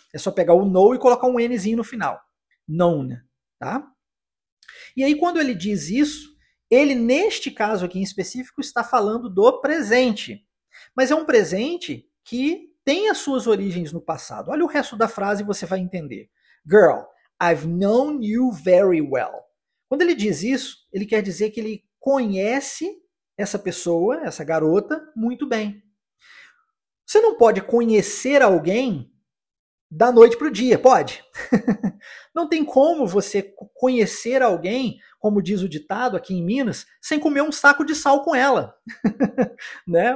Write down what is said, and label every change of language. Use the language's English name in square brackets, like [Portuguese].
[Portuguese] É só pegar o know e colocar um Nzinho no final. Known, tá? E aí quando ele diz isso, ele neste caso aqui em específico está falando do presente. Mas é um presente que tem as suas origens no passado. Olha o resto da frase e você vai entender. [English] Girl, I've known you very well. [Portuguese] Quando ele diz isso, ele quer dizer que ele conhece essa pessoa, essa garota, muito bem. Você não pode conhecer alguém da noite para o dia, pode? Não tem como você conhecer alguém, como diz o ditado aqui em Minas, sem comer um saco de sal com ela. Né?